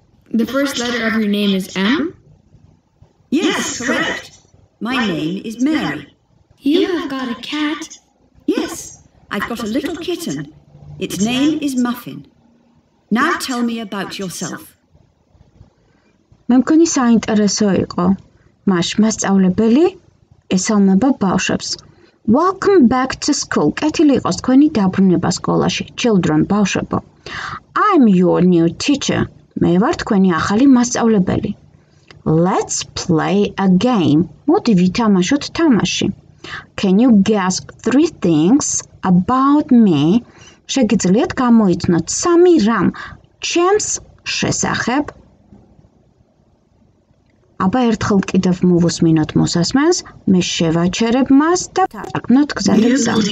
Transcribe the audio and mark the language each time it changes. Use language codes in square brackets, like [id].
[en] The first letter of your name is M? Yes, correct. My name is Mary. You have got a cat? Yes, I've got a little kitten. Its name is Muffin. Now tell me about yourself. [ka] მე მგონი საინტერესო იყო. მაშ მასწავლებელი ესალმება ბავშვებს. [en] Welcome back to school. [ka] კეთილი იყოს თქვენი დაბრუნება სკოლაში. [en] Children, [ka] ბავშვებო. [en] I'm your new teacher. [ka] მე ვარ თქვენი ახალი მასწავლებელი. [en] Let's play a game. [ka] მოდი ვითამაშოთ თამაში. [en] Can you guess three things about me? [ka] შეგიძლიათ გამოიცნოთ სამი რამ ჩვენს შესახებ? აბა ერთხელ კიდევ მოვუსმინოთ მოსასმენს, მე შევაჩერებ მას და დაწერნოთ გზალებს.